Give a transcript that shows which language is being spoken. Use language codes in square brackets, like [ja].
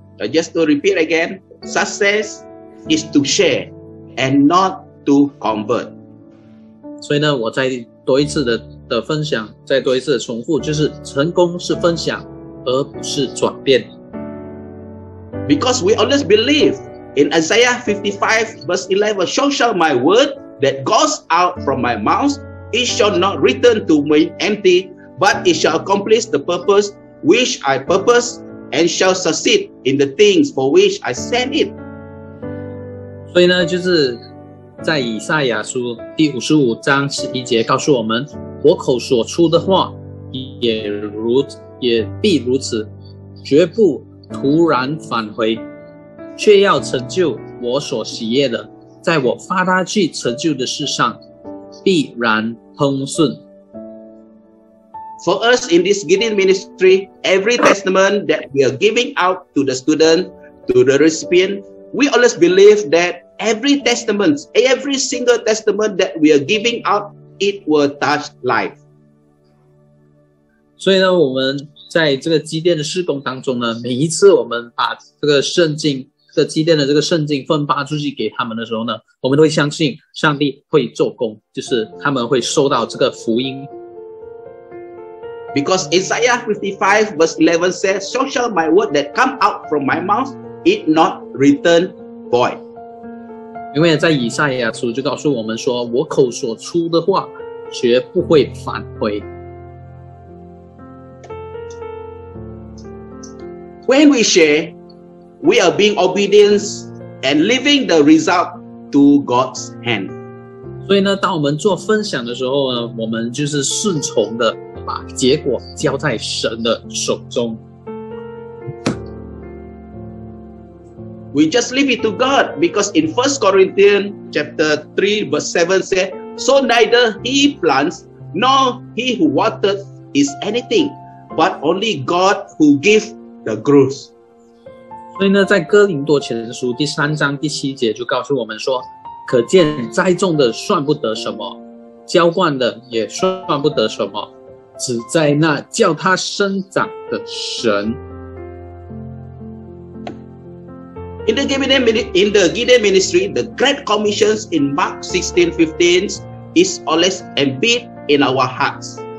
[en] Just to repeat again, success is to share and not to convert. [zh] 所以呢，我再多一次 的分享，再多一次的重复，就是成功是分享，而不是转变。 [en] Because we always believe in Isaiah 55 verse 11, so shall my word that goes out from my mouth, it shall not return to me empty, but it shall accomplish the purpose which I purpose, and shall succeed in the things for which I send it. [zh] 所以呢，就是在以赛亚书第五十五章十一节告诉我们，我口所出的话也必如此，绝不突然返回，却要成就我所喜悦的，在我发他去成就的事上必然亨顺。 [en] For us in this Gideon ministry, every testament that we are giving out to the student, to the recipient, we always believe that every single testament that we are giving out, it will touch life. [zh] 所以呢，我们在这个基甸的事工当中呢，每一次我们把这个圣经，这个基甸的这个圣经分发出去给他们的时候呢，我们都会相信上帝会做工，就是他们会收到这个福音。 [en] Because Isaiah 55 verse 11 says, so shall my word that come out from my mouth, it not return void. [zh] 因为在以赛亚书就告诉我们说，我口所出的话绝不会返回。 [en] When we share, we are being obedient and leaving the result to God's hand. [zh] 所以呢，当我们做分享的时候呢，我们就是顺从的，把结果交在神的手中。 [en] We just leave it to God, because in 1 Corinthians chapter 3 verse 7 says, so neither he plants nor he who waters is anything, but only God who gives the growth. [zh] 所以呢，在哥林多前书第三章第七节就告诉我们说，可见栽种的算不得什么，浇灌的也算不得什么，只在那叫他生长的神。 [en] In the Gideon ministry, the Great Commission in Mark 16:15 is always embedded in our hearts.